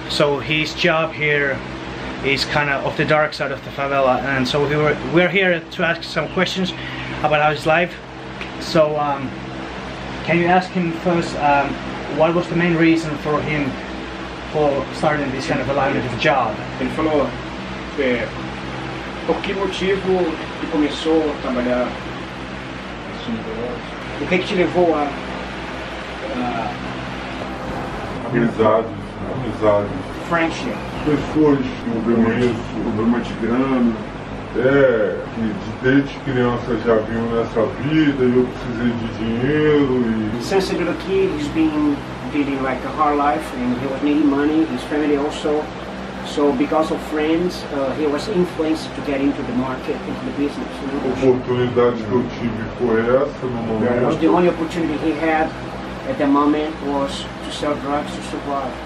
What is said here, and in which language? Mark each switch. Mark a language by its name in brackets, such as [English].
[English] So his job here is kind of the dark side of the favela, and so we're here to ask some questions about how his life. So can you ask him first, what was the main reason for him for starting this kind of a lucrative job? [Portuguese] Ele falou, por que motivo ele começou a trabalhar O que te levou a... Amizade. [English] Friendship. [Portuguese] Pessoas que eu conheço, problema de grana, que desde criança já vinham nessa vida e eu precisei de dinheiro e... [English] Since the little kid, he's been leading like a hard life and he was needing money, his family also. So because of friends, he was influenced to get into the market, into the business. [Portuguese] A oportunidade que eu tive foi essa no momento. [English] Was the only opportunity he had at the moment was to sell drugs to survive.